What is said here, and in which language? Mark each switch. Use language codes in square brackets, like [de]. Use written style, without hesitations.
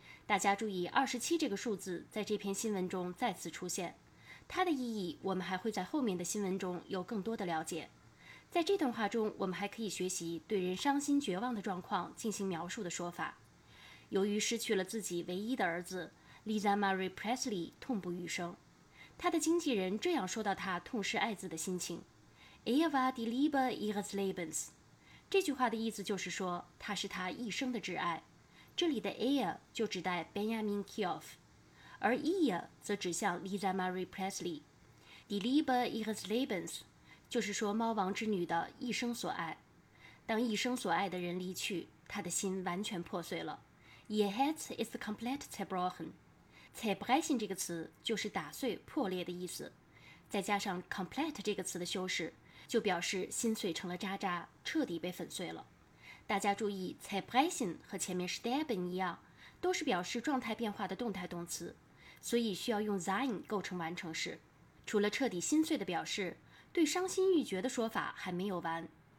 [zh] 大家注意27这个数字在这篇新闻中再次出现，它的意义我们还会在后面的新闻中有更多的了解。在这段话中我们还可以学习对人伤心绝望的状况进行描述的说法。由于失去了自己唯一的儿子 Lisa Marie Presley 痛不欲生，他的经纪人这样说到他痛失爱子的心情。 [de] Er war die Liebe ihres Lebens. [zh] 这句话的意思就是说，他是他一生的挚爱。这里的 Er 就指代 Benjamin Kioff, 而 Er 则指向 Lisa Marie Presley. [de] Die Liebe ihres Lebens [zh] 就是说猫王之女的一生所爱。当一生所爱的人离去，他的心完全破碎了。 [de] Ihr Herz ist komplett zerbrochen. [zh] Zerbrechen 这个词就是打碎、破裂的意思，再加上 complete 这个词的修饰，就表示心碎成了渣渣，彻底被粉碎了。大家注意 Zerbrechen 和前面 Sterben 一样，都是表示状态变化的动态动词，所以需要用 sein 构成完成式。除了彻底心碎的表示，对伤心欲绝的说法还没有完。